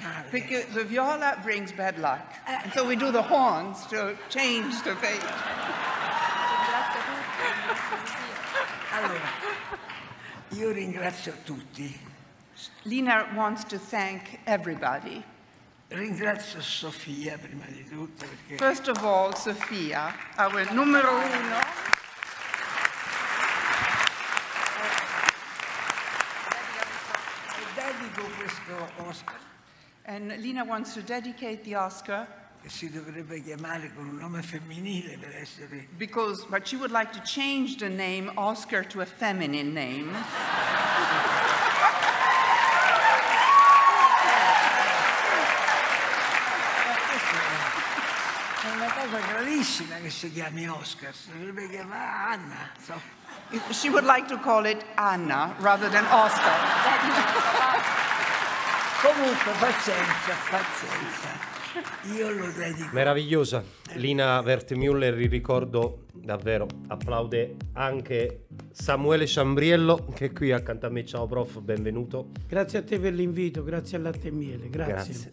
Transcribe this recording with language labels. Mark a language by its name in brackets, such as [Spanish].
[English] Because the viola brings bad luck, and so we do the horns to change the fate. [Italian] Io ringrazio tutti. [English] Lina wants to thank everybody. [Italian] Ringrazio Sofia prima di tutto. Perché [English] first of all, Sofia, our [Italian] numero uno. E dedico questo Oscar. [English] And Lina wants to dedicate the Oscar. [Italian] Che si dovrebbe chiamare con un nome femminile per essere. [English] Because, but she would like to change the name Oscar to a feminine name. [Italian] È una cosa gravissima che si chiami Oscar, si dovrebbe chiamare Anna. [English] So. She would like to call it Anna rather than Oscar. [Italian] Comunque, pazienza, pazienza. Io lo dedico. Meravigliosa. Lina Wertmüller, vi ricordo davvero, applaude anche Samuele Ciambriello che è qui accanto a me. Ciao prof, benvenuto. Grazie a te per l'invito, grazie al latte e miele, grazie.